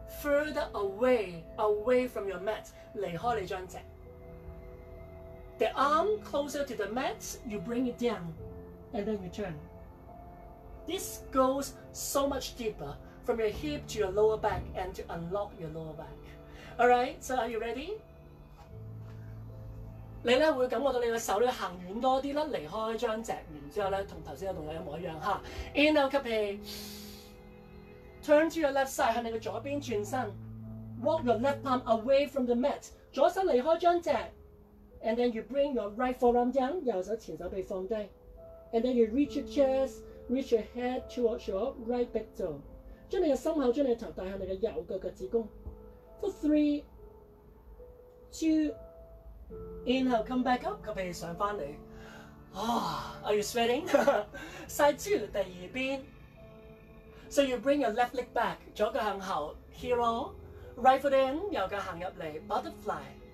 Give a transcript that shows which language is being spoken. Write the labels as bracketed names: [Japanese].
[English] Further away from your mat, [Cantonese] 離開你張席。 [English] The arm closer to the mat, you bring it down, and then return. This goes so much deeper from your hip to your lower back and to unlock your lower back. All right, so are you ready? [Cantonese] 你咧會感覺到你個手咧行遠多啲啦，離開張席，然之後咧同頭先嘅動作一模一樣嚇。 [English] Inhale, [Cantonese] 吸氣。 [English] Turn to your left side, [Cantonese] 向你的左邊轉身。 [English] Walk your left palm away from the mat. [Cantonese] 左手離開張席。 [English] And then you bring your right forearm down, [Cantonese] 右手前手臂放低。 [English] And then you reach your chest, reach your head towards your right big toe. [Cantonese] 將你的心口，將你的頭帶向你的右腳腳趾弓。 [English] For three, two, inhale, come back up. [Cantonese] 吸氣上翻嚟。 [English] Are you sweating? Side two, [Cantonese] 第二邊。 [English] So you bring your left leg back, [Cantonese] 左腳向後 [English] ，hero, right foot in, [Cantonese] 右腳行入嚟 [English] ，butterfly.